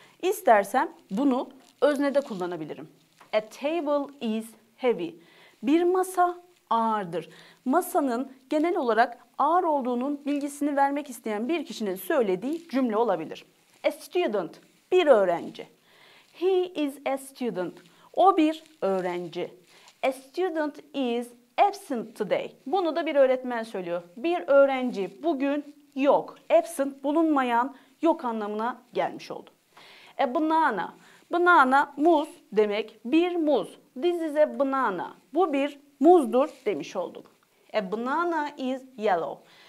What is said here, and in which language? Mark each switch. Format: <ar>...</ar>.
<tr>İstersem bunu öznede kullanabilirim.</tr> <en>A table is heavy.</en> <tr>Bir masa ağırdır. Masanın genel olarak ağır olduğunun bilgisini vermek isteyen bir kişinin söylediği cümle olabilir.</tr> <en>A student,</en> <tr>bir öğrenci.</tr> <en>He is a student,</en> <tr>o bir öğrenci.</tr> <en>A student is absent today.</en> <tr>Bunu da bir öğretmen söylüyor. Bir öğrenci bugün yok. Absent, bulunmayan, yok anlamına gelmiş oldu. A banana. Banana, muz demek. Bir muz.</tr> <en>This is a banana.</en> <tr>Bu bir muzdur demiş olduk.</tr> <en>A banana is yellow.</en>